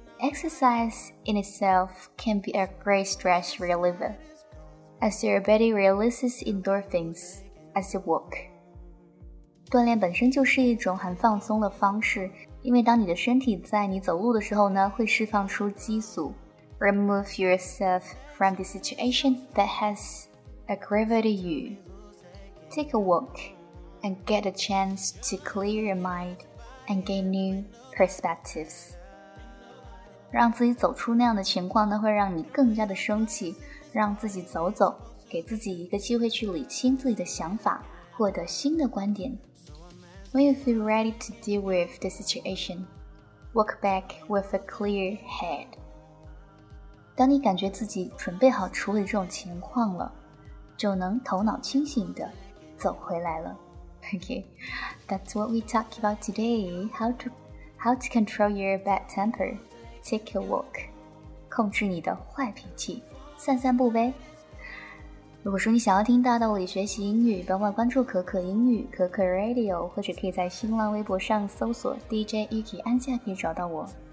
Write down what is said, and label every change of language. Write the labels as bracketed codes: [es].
[en] Exercise in itself can be a great stress reliever as your body releases endorphins as you walk。 [zh] 锻炼本身就是一种很放松的方式，因为当你的身体在你走路的时候呢，会释放出激素。 [en] Remove yourself from the situation that has aggravated you. Take a walk and get a chance to clear your mind and gain new perspectives. [zh] 让自己走出那样的情况呢，会让你更加的生气。让自己走走，给自己一个机会去理清自己的想法，获得新的观点。 [en] When you feel ready to deal with the situation, walk back with a clear head. [zh] 当你感觉自己准备好处理这种情况了，就能头脑清醒地走回来了。 [en] Okay, that's what we talk about today. How to control your bad temper. Take a walk. [zh] 控制你的坏脾气，散散步呗。如果说你想要听大道理学习英语，别忘了关注可可英语可可 Radio， 或者可以在新浪微博上搜索 DJ Yuki 安夏，可以找到我。